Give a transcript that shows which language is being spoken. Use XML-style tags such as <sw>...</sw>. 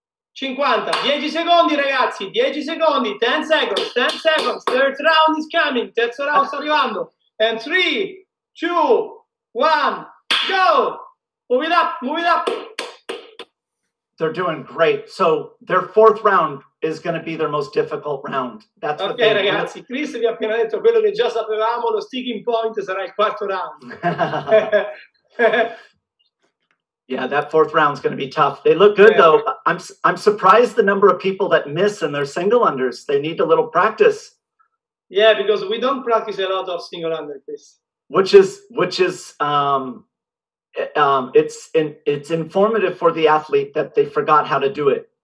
<it>50. 10 secondi, ragazzi, 10 secondi.</it> <en>10 seconds, 10 seconds. Third round is coming.</en> <it>Terzo round sta arrivando.</it> <en>And 3, two, one, go! Move it up, move it up! They're doing great. So their fourth round is going to be their most difficult round. That's okay, what ragazzi. Want.</en> <it>Chris vi ha appena detto quello che già sapevamo. Lo sticking point sarà il quarto round.</it> <en>Yeah, that fourth round is going to be tough. They look good, though. I'm surprised the number of people that miss and they're single unders. They need a little practice. Yeah, because we don't practice a lot of single unders, Chris. It's informative for the athlete that they forgot how to do it.</en>